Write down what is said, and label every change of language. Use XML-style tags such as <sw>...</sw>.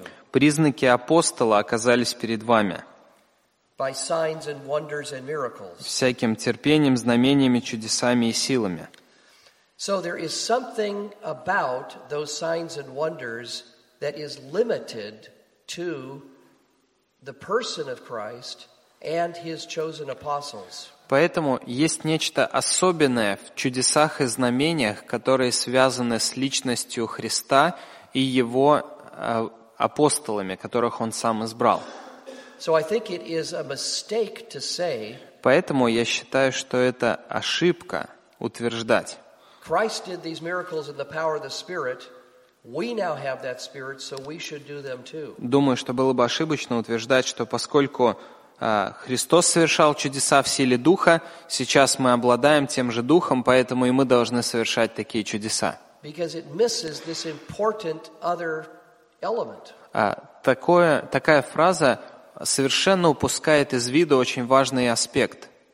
<ru>Признаки апостола оказались перед вами.</ru> <en>By signs and wonders and miracles.</en> <ru>Всяким терпением, знамениями, чудесами и силами.</ru> <en>So there is something about those signs and wonders that is limited to the person of Christ and his chosen apostles.</en> <ru>Поэтому есть нечто особенное в чудесах и знамениях, которые связаны с личностью Христа и его апостолами, которых он сам избрал.</ru> <en>So I think it is a mistake to say.</en> <ru>Поэтому я считаю, что это ошибка утверждать.</ru> <en>Christ did these miracles in the power of the Spirit. We now have that Spirit, so we should do them too.</en> <ru>Думаю, что было бы ошибочно утверждать, что поскольку Христос совершал чудеса в силе Духа, сейчас мы обладаем тем же Духом, поэтому и мы должны совершать такие чудеса.</ru> <en>Because it misses this important other element.</en> <ru>Такая фраза совершенно упускает из виду очень важный аспект.</ru>